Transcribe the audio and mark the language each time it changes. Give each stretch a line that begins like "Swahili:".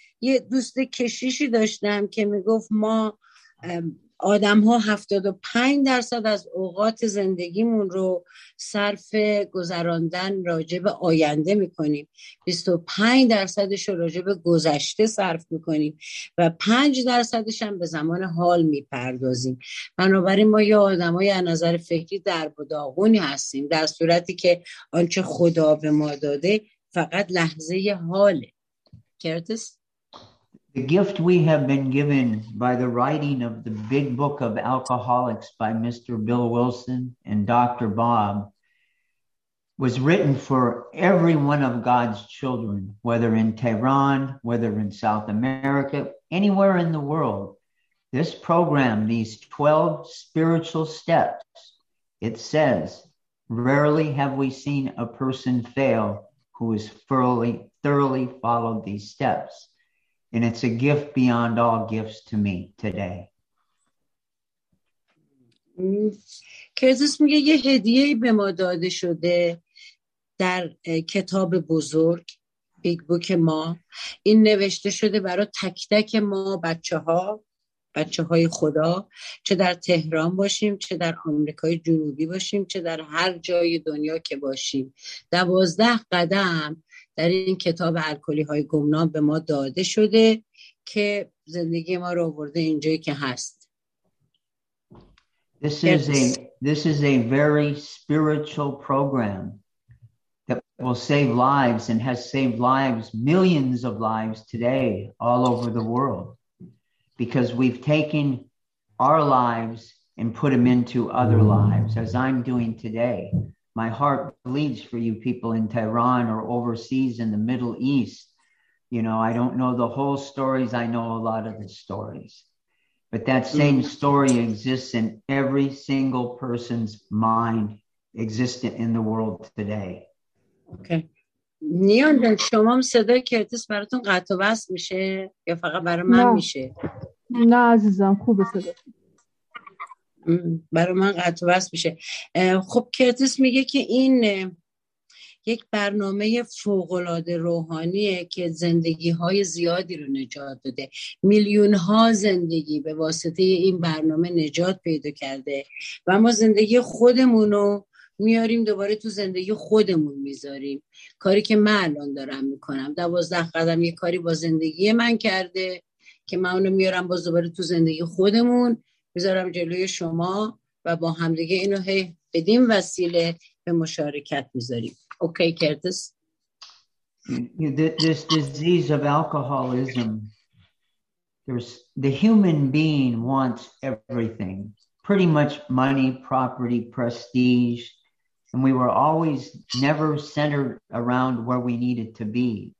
Persian: یه دوست کشیشی داشتم که میگفت ما آدم ها 75% از اوقات زندگیمون رو صرف گذراندن راجب آینده میکنیم، 25%ش رو راجب گذشته صرف میکنیم و 5%ش هم به زمان حال میپردازیم. بنابراین ما یا آدم های از نظر فکری درب و داغونی هستیم، در صورتی که آنچه خدا به ما داده فقط لحظه حاله. کرتس؟
English: The gift we have been given by the writing of the big book of alcoholics by Mr. Bill Wilson and Dr. Bob was written for every one of God's children, whether in Tehran, whether in South America, anywhere in the world. This program, these 12 spiritual steps, it says, rarely have we seen a person fail who has thoroughly followed these steps. And it's a gift beyond all gifts to me today. Curtis میگه یه هدیه به ما داده شده در کتاب بزرگ بیگ بوک ما. این نوشته شده برای تک تک ما بچه‌های خدا، چه در تهران باشیم، چه در آمریکای جنوبی باشیم، چه در هر جای دنیا که باشیم. 12 قدم در این کتاب الکلی های گمنام به ما داده شده که زندگی ما رو آورده اینجایی که هست. This is a very spiritual program that will save lives and has saved lives, millions of lives today all over the world, because we've taken our lives and put them into other lives, as I'm doing today. My heart bleeds for you people in Tehran or overseas in the Middle East. You know, I don't know the whole stories. I know a lot of the stories. But that same story exists in every single person's mind existent in the world today. Okay.
Persian: نیان جان، شما هم صدای کرتیس براتون قطع و وصل میشه یا فقط برای من میشه؟ نه عزیزم، خوبه صدا. برای من قطع وصل میشه. خب کرتیس میگه که این یک برنامه فوق‌العاده روحانیه که زندگی‌های زیادی رو نجات داده. میلیون‌ها زندگی به واسطه این برنامه نجات پیدا کرده و ما زندگی خودمون رو میاریم دوباره تو زندگی خودمون میذاریم. کاری که من الان دارم میکنم، 12 قدم یک کاری با زندگی من کرده که من اونو میارم باز دوباره تو زندگی خودمون بذارم جلوی شما و با همدیگه اینو هی بدیم وسیله به مشارکت میذاریم. اوکی کرتیس؟
English: This disease of alcoholism, the human being wants everything, pretty much money, property, prestige, and we were always never centered around where we needed to be.